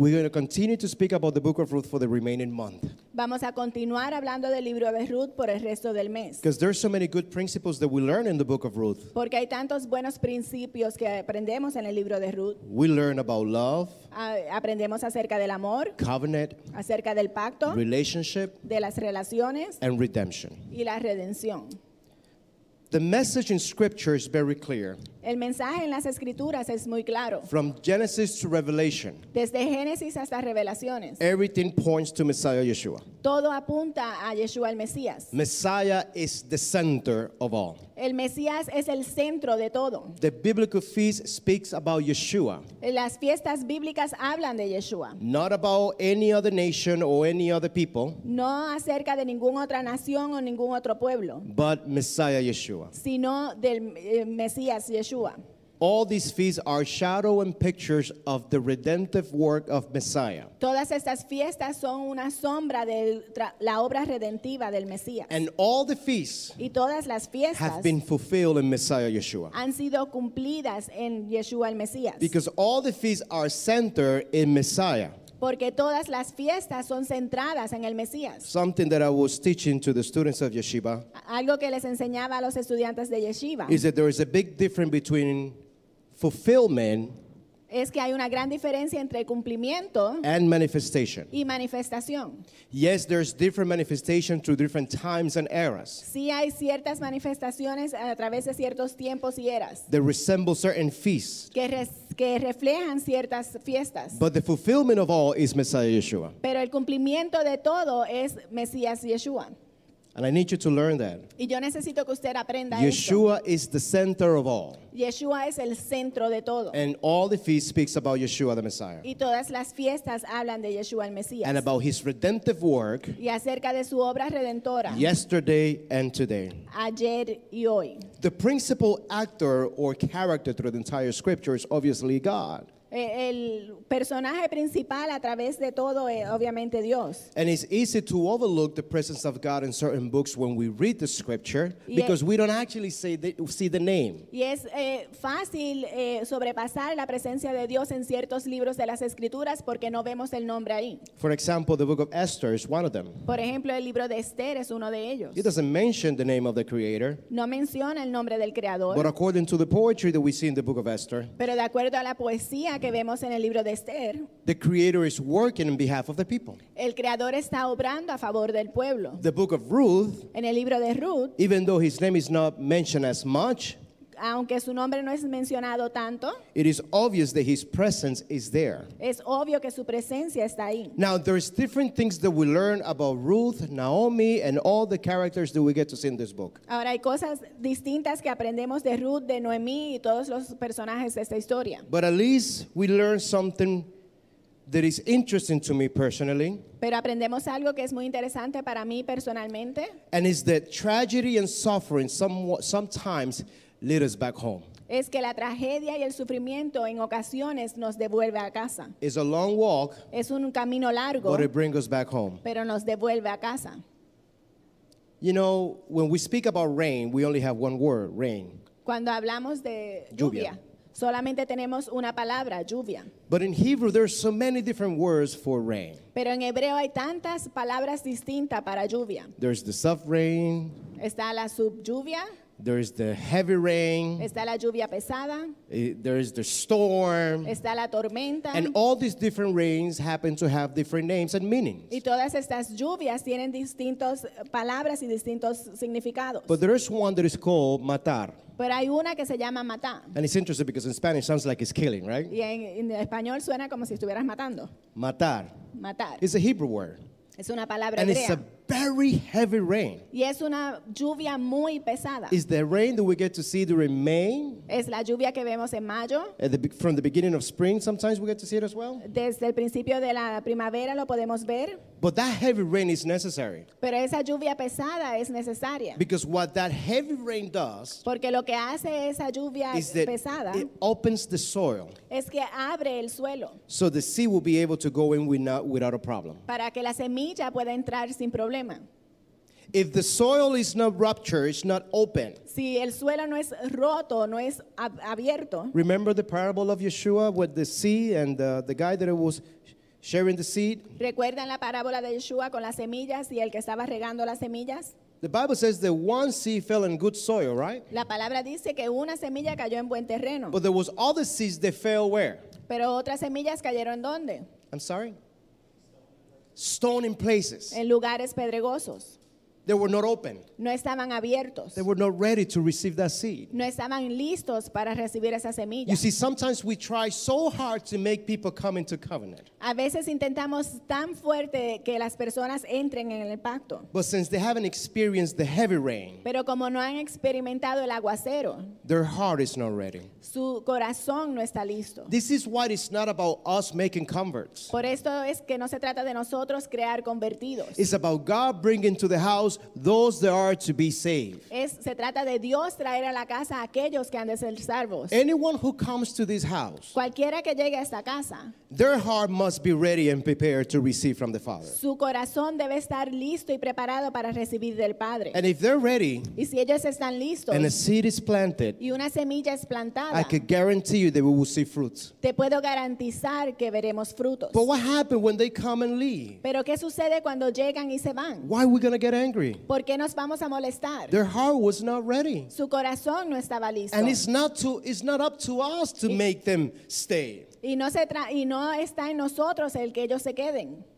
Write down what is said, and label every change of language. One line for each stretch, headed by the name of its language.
English: we're going to continue to speak about the book of Ruth for the remaining month.
Spanish: Vamos a continuar hablando del libro de Ruth por el resto del mes.
English: Because there are so many good principles that we learn in the book of Ruth.
Spanish: Porque hay tantos buenos principios que aprendemos en el libro de Ruth.
English: We learn about love.
Spanish: Aprendemos acerca del amor.
English: Covenant.
Spanish: Acerca del pacto,
English: relationship,
Spanish: de las relaciones,
English: and redemption.
Spanish: Y la redención.
English: The message in Scripture is very clear.
Spanish: El mensaje en las escrituras es muy claro.
English: From Genesis to Revelation.
Spanish: Desde Génesis hasta Revelaciones.
English: Everything points to Messiah Yeshua.
Spanish: Todo apunta a Yeshua el Mesías.
English: Messiah is the center of all.
Spanish: El Mesías es el centro de todo.
English: The biblical feast speaks about Yeshua.
Spanish: Las fiestas bíblicas hablan de Yeshua.
English: Not about any other nation or any other people.
Spanish: No acerca de ninguna otra nación o ningún otro pueblo.
English: But Messiah Yeshua.
Spanish: Sino del Mesías Yeshua.
English: All these feasts are shadow and pictures of the redemptive work of Messiah.
Spanish: Todas estas fiestas son una sombra de la obra redentiva del Mesías.
English: And all the feasts
Spanish: y todas las fiestas
English: have been fulfilled in Messiah Yeshua.
Spanish: Han sido cumplidas en Yeshua el Mesías.
English: Because all the feasts are centered in Messiah.
Spanish: Porque todas las fiestas son centradas en el Mesías.
English: Something that I was teaching to the students of Yeshiva.
Spanish: Algo que les enseñaba a los estudiantes de Yeshiva.
English: Is that there is a big difference between fulfillment.
Spanish: Es que hay una gran diferencia entre cumplimiento.
English: And manifestation.
Spanish: Y manifestación.
English: Yes, there's different manifestation through different times and eras.
Spanish: Sí hay ciertas manifestaciones a través de ciertos tiempos y eras.
English: That resemble certain feasts.
Spanish: Que reflejan ciertas fiestas.
English: But the fulfillment of all is Messiah Yeshua.
Spanish: Pero el cumplimiento de todo es Mesías Yeshua.
English: And I need you to learn that.
Spanish: Y yo necesito que usted aprenda esto.
English: Yeshua is the center of all.
Spanish: Yeshua es el centro de todo.
English: And all the feasts speaks about Yeshua the Messiah.
Spanish: Y todas las fiestas hablan de Yeshua el Mesías.
English: And about his redemptive work.
Spanish: Y acerca de su obra redentora.
English: Yesterday and today.
Spanish: Ayer y hoy.
English: The principal actor or character through the entire scripture is obviously God.
Spanish: El personaje principal a través de todo es obviamente Dios.
English: And it's easy to overlook the presence of God in certain books when we read the scripture because we don't actually see the name.
Spanish: Y es fácil sobrepasar la presencia de Dios en ciertos libros de las escrituras porque no vemos el nombre ahí.
English: For example, the book of Esther is one of them.
Spanish: Por ejemplo, el libro de Esther es uno de ellos.
English: It doesn't mention the name of the creator.
Spanish: No menciona el nombre del creador.
English: But according to the poetry that we see in the book of Esther.
Spanish: Pero de acuerdo a la poesía que vemos en el libro de Esther.
English: The creator is working on behalf of the people.
Spanish: El creador está obrando a favor del pueblo.
English: The book of Ruth.
Spanish: En el libro de Ruth.
English: Even though his name is not mentioned as much.
Spanish: Aunque su nombre no es mencionado tanto.
English: It is obvious that his presence is there.
Spanish: Es obvio que su presencia está ahí.
English: Now there's different things that we learn about Ruth, Naomi, and all the characters that we get to see in this book.
Spanish: Ahora hay cosas distintas que aprendemos de Ruth, de Noemí y todos los personajes de esta historia.
English: But at least we learn something that is interesting to me personally.
Spanish: Pero aprendemos algo que es muy interesante para mí personalmente.
English: And is that tragedy and suffering sometimes lead us back home.
Spanish: Es que la tragedia y el sufrimiento en ocasiones nos devuelve a casa.
English: It's a long walk.
Spanish: Es un camino largo.
English: But it brings us back home.
Spanish: Pero nos devuelve a casa.
English: You know, when we speak about rain, we only have one word, rain.
Spanish: Cuando hablamos de lluvia, solamente tenemos una palabra, lluvia.
English: But in Hebrew, there are so many different words for rain.
Spanish: Pero en hebreo hay tantas palabras distintas para lluvia.
English: There's the soft rain.
Spanish: Está la subjuvia.
English: There is the heavy rain.
Spanish: Está la lluvia pesada.
English: There is the storm.
Spanish: Está la tormenta.
English: And all these different rains happen to have different names and meanings.
Spanish: Y todas estas lluvias tienen distintos palabras y distintos significados.
English: But there is one that is called matar.
Spanish: Pero hay una que se llama matar.
English: And it's interesting because in Spanish it sounds like it's killing, right?
Spanish: Y en español suena como si estuvieras matando.
Hebrew: Matar. Matar.
English: It's a Hebrew word.
Spanish: Es una palabra
English: and
Spanish: hebrea.
English: It's a very heavy rain.
Spanish: Y es una lluvia muy pesada.
English: It's the rain that we get to see during May.
Spanish: Es la lluvia que vemos en mayo.
English: From the beginning of spring, sometimes we get to see it as well.
Spanish: Desde el principio de la primavera lo podemos ver.
English: But that heavy rain is necessary.
Spanish: Pero esa lluvia pesada es necesaria.
English: Because what that heavy rain does.
Spanish: Porque lo que hace esa lluvia
English: is that
Spanish: pesada.
English: It opens the soil.
Spanish: Es que abre el suelo.
English: So the seed will be able to go in without a problem.
Spanish: Para que la semilla pueda entrar sin problema.
English: If the soil is not ruptured, it's not open.
Spanish: Si el suelo no es roto, no es abierto.
English: Remember the parable of Yeshua with the seed and the guy that it was. Sharing the seed.
Spanish: ¿Recuerdan la parábola de Yeshua con las semillas y el que estaba regando las semillas?
English: The Bible says that one seed fell in good soil, right?
Spanish: La palabra dice que una semilla cayó en buen terreno.
English: But there was other seeds that fell where?
Spanish: Pero otras semillas cayeron ¿dónde?
English: I'm sorry? Stone in places.
Spanish: En lugares pedregosos.
English: They were not open.
Spanish: No estaban abiertos.
English: They were not ready to receive that seed.
Spanish: No estaban listos para recibir esa semilla.
English: You see, sometimes we try so hard to make people come into covenant.
Spanish: A veces intentamos tan fuerte que las personas entren en el pacto.
English: But since they haven't experienced the heavy rain,
Spanish: pero como no han experimentado el aguacero,
English: their heart is not ready.
Spanish: Su corazón no está listo.
English: This is why it's not about us making converts.
Spanish: Por esto es que no se trata de nosotros crear convertidos.
English: It's about God bringing to the house those that are to be saved.
Spanish: Se trata de Dios traer a la casa aquellos que han de ser salvos.
English: Anyone who comes to this house,
Spanish: cualquiera que llegue a esta casa,
English: their heart must be ready and prepared to receive from the Father.
Spanish: Su corazón debe estar listo y preparado para recibir del Padre.
English: And if they're ready,
Spanish: y si ellos están listos,
English: and a seed is planted,
Spanish: y una semilla es plantada,
English: I can guarantee you that we will see fruits.
Spanish: Te puedo garantizar que veremos frutos.
English: But what happens when they come and leave?
Spanish: Pero qué sucede cuando llegan y se van?
English: Why are we going to get angry?
Spanish: ¿Por qué nos vamos a molestar?
English: Their heart was not ready.
Spanish: Su corazón no estaba listo.
English: And it's not up to us to make them stay.
Spanish: Y no está en nosotros el que ellos se queden.